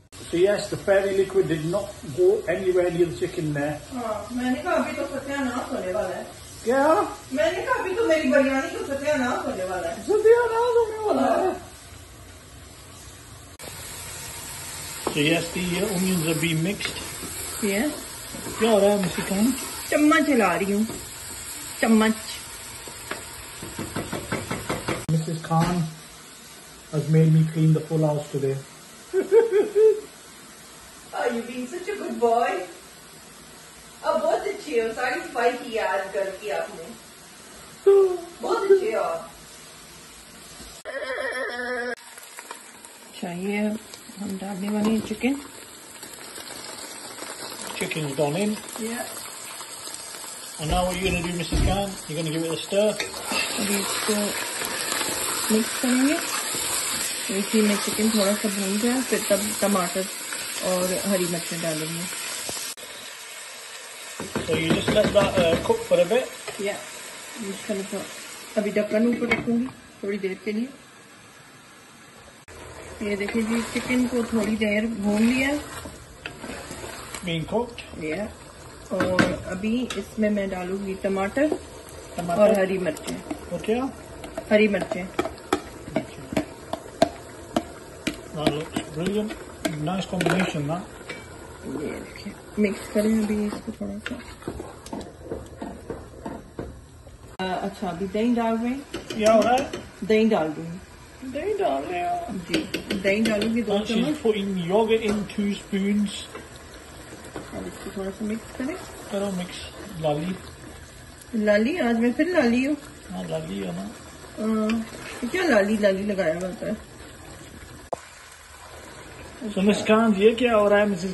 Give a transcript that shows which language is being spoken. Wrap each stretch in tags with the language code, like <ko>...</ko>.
<en>So yes, the fatty liquid did not go anywhere near the chicken there.</en> <hi>हाँ, मैंने कहा अभी तो सत्यानाश होने वाला है. क्या? मैंने कहा अभी तो मेरी बिरयानी तो सत्यानाश होने वाला है. सत्यानाश होने वाला है.</hi> <en>So yes, the onions are being mixed. Yeah.</en> <hi>क्या हो रहा है मिस्टर कैन? चम्मच हिला रही हूँ. चम्मच.</hi> <en>Mrs Khan has made me clean the full house today. Are you being such a good boy?</en> <hi>अब बहुत अच्छे हो. सारी सफाई की आज कर की आपने. बहुत अच्छे हो. चाहिए हम डालने वाले हैं chicken.</hi> <en>Chicken's gone in. Yeah. And now what are you going to do, Mrs. Khan? You're going to give it a stir.</en> <hi>अभी इसको mix करेंगे. इसी में chicken थोड़ा सा भून गया, फिर तब टमाटर और हरी मिर्चें डालेंगे.</hi> <en>So you just let that cook for a bit. Yeah. I'm just going to put</en> <hi>अभी ढक्कन ऊपर रखूंगी थोड़ी देर के लिए. ये देखिए जी चिकन को थोड़ी देर भून लिया.</hi> <en>Being cooked. Yeah.</en> <hi>और अभी इसमें मैं डालूंगी टमाटर और हरी मिर्चें.</hi> <en>Okay.</en> <hi>हरी मिर्चें.</hi> <en>That looks brilliant. Nice combination, that.</en> <hi>Mix करें अभी इसको थोड़ा सा. अच्छा अभी दही डाल रहे हैं. क्या हो रहा है? दही डाल रही हूँ. दही डाल रहे हैं जी. दही डालूंगी दो चम्मच.</hi> <en>She's putting yogurt in 2 spoons.</en> <hi>अब इसको थोड़ा सा मिक्स करें. करो मिक्स. लाली लाली आज मैं फिर लाली हूँ. हाँ लाली है ना. क्या लाली लाली लगाया हुआ है.</hi> <en>So Ms.</en> <hi>Khan, ये क्या हो रहा है Mrs.</hi>